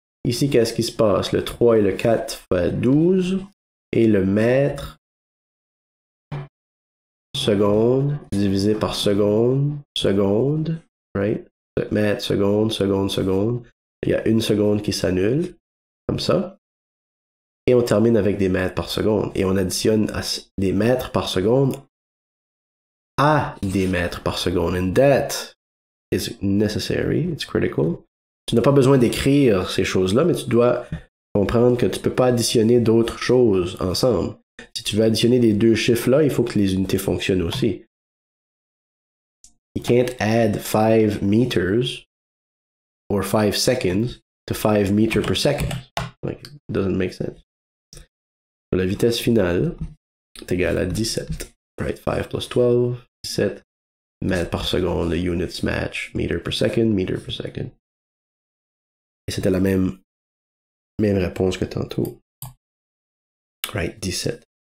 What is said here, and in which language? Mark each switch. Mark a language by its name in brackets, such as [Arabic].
[French] Ici, qu'est-ce qui se passe? Le 3 et le 4 fois 12 et le mètre seconde divisé par seconde, seconde, right? Mètre, seconde, seconde, seconde. Il y a une seconde qui s'annule, comme ça. Et on termine avec des mètres par seconde. Et on additionne des mètres par seconde à des mètres par seconde. [English] And that is necessary, it's critical. [French] Tu n'as pas besoin d'écrire ces choses-là, mais tu dois comprendre que tu ne peux pas additionner d'autres choses ensemble. Si tu veux additionner les deux chiffres-là, il faut que les unités fonctionnent aussi. [English] You can't add 5 meters or 5 seconds to 5 meters per second. Like, it doesn't make sense. [French] La vitesse finale est égale à 17. Right? [English] 5 plus 12, 17. [French] Mètres par seconde, [English] the units match, meter per second, meter per second. [French] Et c'était la même réponse que tantôt. Right, 17.